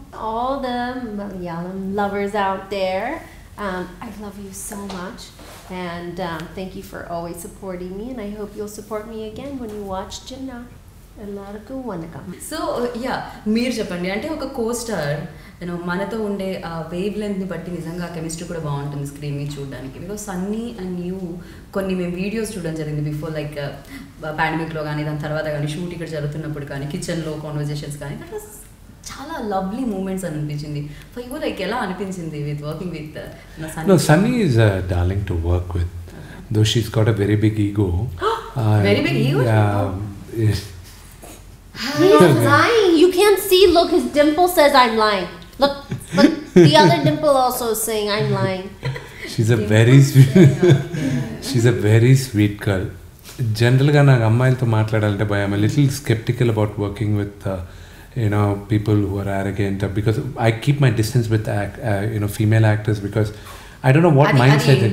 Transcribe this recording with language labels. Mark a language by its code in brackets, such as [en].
[en] all the Malayalam lovers out there? I love you so much, and thank you for always supporting me, and I hope you'll support me again when you watch Ginna. [ta] Ellarku vanakkam. [en] So yeah, [te] meer cheppandi ante oka co-star నేను మనతో ఉండే ఆ wave లెంత్ని బట్టి నిజంగా chemistry కూడా బాగుంటుంది screen మీద చూడడానికి. [en] because Sunny and you [te] కొన్ని మేము వీడియోస్ చూడడం జరిగింది బిఫోర్, లైక్ పాండమిక్లో కానీ దాని తర్వాత కానీ షూట్ ఇక్కడ జరుగుతున్నప్పుడు కానీ కిచెన్లో కాన్వర్జేషన్స్ కానీ, [en] that was [te] చాలా లవ్లీ మూమెంట్స్ అనిపించింది. [en] For you like ఎలా అనిపించింది with working with Sunny? Is a darling to work with, though she's got a very big ego. Very big ego, you can see, look, his dimple says I am lying. Look, the other dimple also is saying, I'm lying. She's a very sweet, she's a very sweet girl. Generally, I'm a little skeptical about working with, you know, people who are arrogant, because I keep my distance with, you know, female actors, because I don't know what mindset they